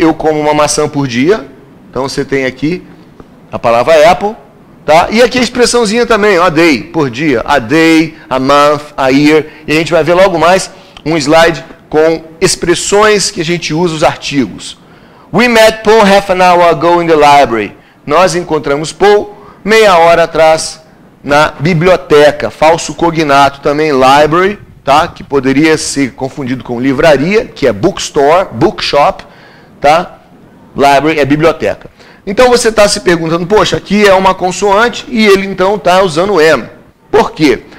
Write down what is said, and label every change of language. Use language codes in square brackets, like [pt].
[pt] Eu como uma maçã por dia. Então, você tem aqui a palavra apple, tá? E aqui a expressãozinha também, a day, por dia. [en] A day, a month, a year. [pt] E a gente vai ver logo mais um slide com expressões que a gente usa os artigos. [en] We met Paul half an hour ago in the library. [pt] Nós encontramos Paul meia hora atrás na biblioteca. Falso cognato também, library, tá? Que poderia ser confundido com livraria, que é bookstore, bookshop, tá? Library é biblioteca. Então você está se perguntando, poxa, aqui é uma consoante e ele então está usando M. Por quê?